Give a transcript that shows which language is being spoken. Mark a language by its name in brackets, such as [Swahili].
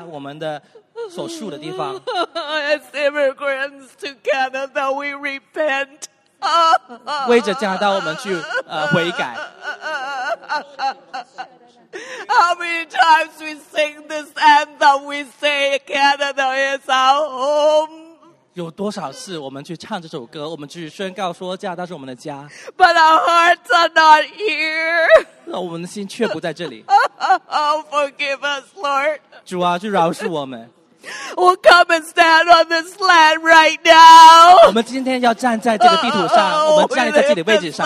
[Chinese] 父，我们真的去到你面前，许多次我们唱国歌，说加拿大呀，我们的家，我们的所属的地方。 [English] As immigrants to Canada, we repent. [Chinese] 为着加拿大，我们去悔改。 [English] How many times we sing this anthem, we say Canada is our home. [Chinese] 有多少次我们去唱这首歌，我们去宣告说加拿大是我们的家。 [English] But our hearts are not here. [Chinese] 我们的心却不在这里。 [English] Oh, forgive us, Lord. [Chinese] 主啊，去饶恕我们。 [English] We'll come and stand on this land right now. [Chinese] 我们今天要站在这个地图上，我们站在自己的位置上。